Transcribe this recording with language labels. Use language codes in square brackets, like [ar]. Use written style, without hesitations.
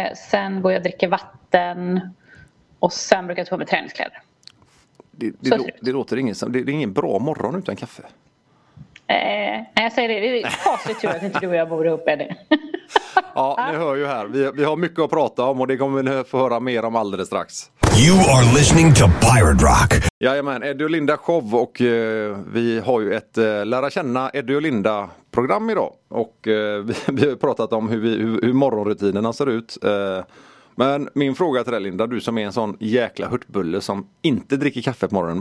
[sv] Sen går jag och dricker vatten. Och sen brukar jag ta på mig träningskläder. Det är ingen bra morgon utan kaffe. Nej, jag säger det. Det är fasligt tur att inte du och jag bor ihop, Eddie. Ja, ni hör ju här. Vi har mycket att prata om och det kommer vi få höra mer om alldeles strax. [en] You are listening to Pirate Rock. [sv] Jajamän, Eddie och Linda show och vi har ju ett lära känna Eddie och Linda program idag. Och vi har pratat om hur morgonrutinerna ser ut. Men min fråga till dig, Linda, du som är en sån jäkla hurtbulle som inte dricker kaffe på morgonen.